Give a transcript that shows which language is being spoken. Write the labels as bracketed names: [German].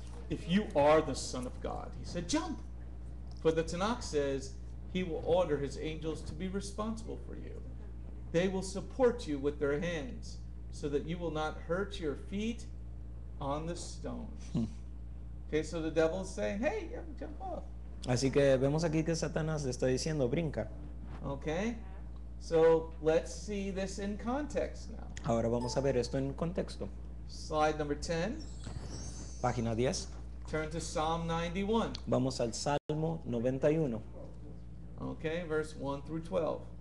[English] If you are the Son of God, he said, jump. For the Tanakh says, he will order his angels to be responsible for you. They will support you with their hands so that you will not hurt your feet on the stones. Okay, so the devil is saying, hey, jump off. [Spanish] Así que vemos aquí que Satanás le está diciendo, brinca. [English] Okay, so let's see this in context now. [Spanish] Ahora vamos a ver esto en contexto. [English] Slide number 10. [Spanish] Página 10. [English] Turn to Psalm 91. [Spanish] Vamos al Salmo 91. [English] Okay, verse 1 through 12.